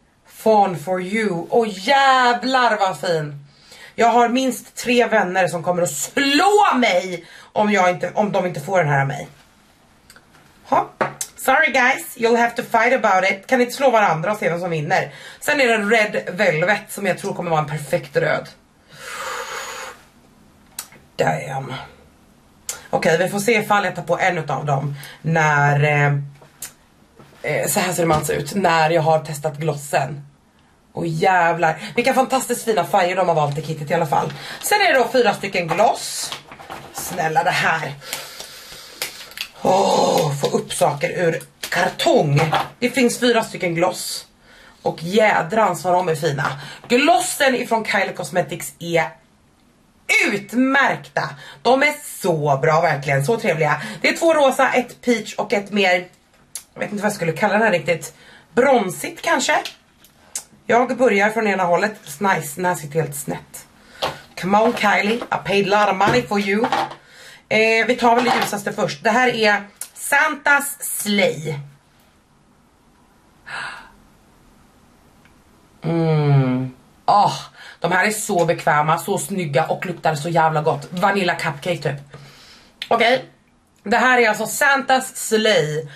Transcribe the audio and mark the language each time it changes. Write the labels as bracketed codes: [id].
[sv] Fawn For You. Åh, jävlar vad fin. Jag har minst 3 vänner som kommer att slå mig om de inte får den här av mig. [en] Sorry guys, you'll have to fight about it. [sv] Kan ni inte slå varandra och se vem som vinner? Sen är det Red Velvet som jag tror kommer vara en perfekt röd. Damn. Okej, vi får se ifall jag tar på en av dem när... så här ser det alltså ut när jag har testat glossen. Och jävlar, vilka fantastiskt fina färger de har valt i kittet i alla fall. Sen är det då 4 stycken gloss. Snälla det här. Få upp saker ur kartong. Det finns 4 stycken gloss. Och jädrans vad de är fina. Glossen ifrån Kylie Cosmetics är utmärkta. De är så bra verkligen, så trevliga. Det är 2 rosa, 1 peach och ett mer, jag vet inte vad jag skulle kalla den här riktigt, bronsigt kanske. Jag börjar från ena hållet. Nice, den här sitter helt snett. [en] Come on Kylie, I paid a lot of money for you. [sv] Vi tar väl det ljusaste först. Det här är Santas Slay. De här är så bekväma, så snygga och luktar så jävla gott. [en] Vanilla cupcake [sv] typ. Okej. Det här är alltså Santas Slay.